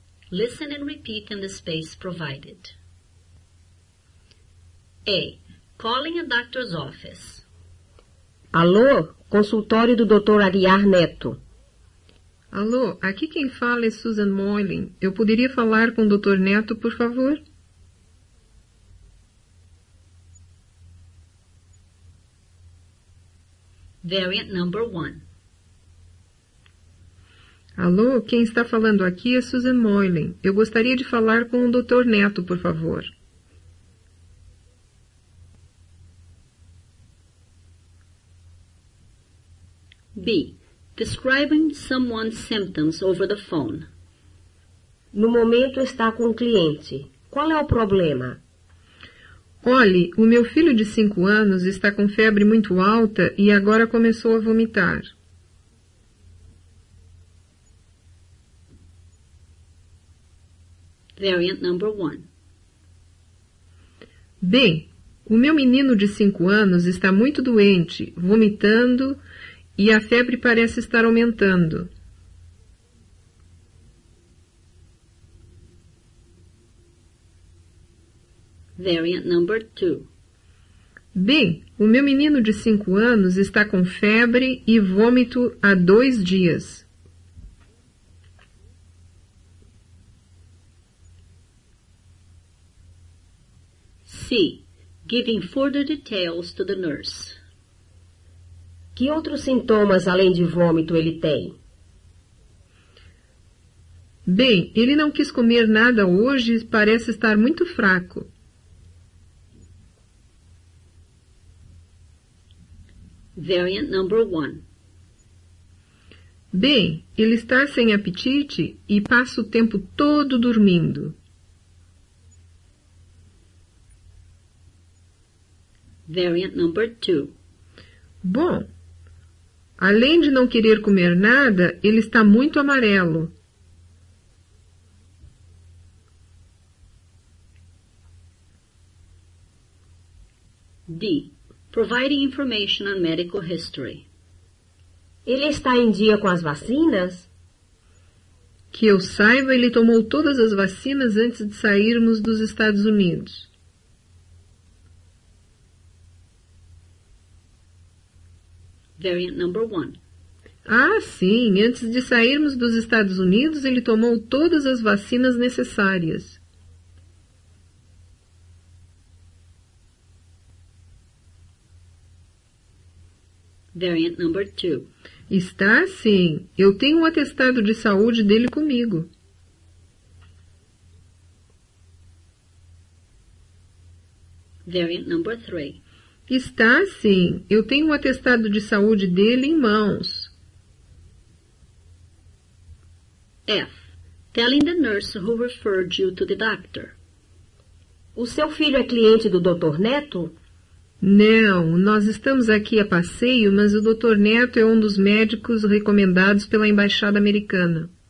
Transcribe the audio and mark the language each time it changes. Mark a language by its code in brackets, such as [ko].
[en] Listen and repeat in the space provided. A. Calling a doctor's office. [pt] Alô, consultório do Dr. Aguiar Neto. Alô, aqui quem fala é Susan Moylan. Eu poderia falar com o Dr. Neto, por favor? [en] Variant number one. [pt] Alô, quem está falando aqui é Susan Moylan. Eu gostaria de falar com o Dr. Neto, por favor. [en] B. Describing someone's symptoms over the phone. [pt] No momento está com um cliente. Qual é o problema? Olhe, o meu filho de 5 anos está com febre muito alta e agora começou a vomitar. [en] Variant number one. [pt] Bem, o meu menino de 5 anos está muito doente, vomitando, e a febre parece estar aumentando. [en] Variant number 2. [pt] Bem, o meu menino de 5 anos está com febre e vômito há 2 dias. [en] C. Giving further details to the nurse. [pt] Que outros sintomas além de vômito ele tem? Bem, ele não quis comer nada hoje e parece estar muito fraco. [en] Variant number 1. [pt] Bem, ele está sem apetite e passa o tempo todo dormindo. [en] Variant number 2. [pt] Bom, além de não querer comer nada, ele está muito amarelo. [en] D. Providing information on medical history. [pt] Ele está em dia com as vacinas? Que eu saiba, ele tomou todas as vacinas antes de sairmos dos Estados Unidos. [en] Variant number 1. [pt] Ah, sim. Antes de sairmos dos Estados Unidos, ele tomou todas as vacinas necessárias. [en] Variant number 2. [pt] Está sim. Eu tenho um atestado de saúde dele comigo. [en] Variant number 3. [pt] Está sim. Eu tenho um atestado de saúde dele em mãos. [en] F. Telling the nurse who referred you to the doctor. [pt] O seu filho é cliente do Dr. Neto? Não, nós estamos aqui a passeio, mas o Dr. Neto é um dos médicos recomendados pela Embaixada Americana.